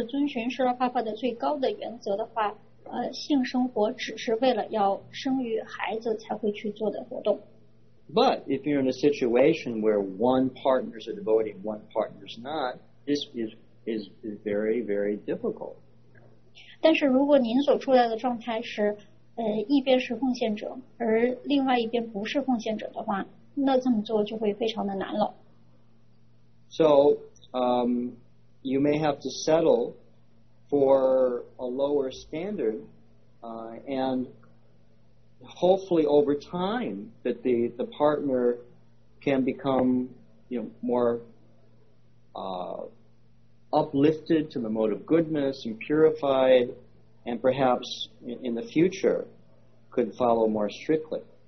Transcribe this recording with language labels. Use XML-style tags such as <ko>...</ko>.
<zh>那也就意味着，如果要是遵循释迦牟尼佛的最高的原则的话， 性生活只是为了要生育孩子才会去做的活动。</zh> <en>But if you're in a situation where one partner's a devotee, one partner's not, this is very, very difficult.</en> <zh>但是如果您所处在的状态是一边是奉献者，而另外一边不是奉献者的话，那这么做就会非常的难了。So,</zh> <en>you may have to settle for a lower standard, and hopefully over time that the partner can become, you know, more uplifted to the mode of goodness and purified, and perhaps in the future could follow more strictly.</en>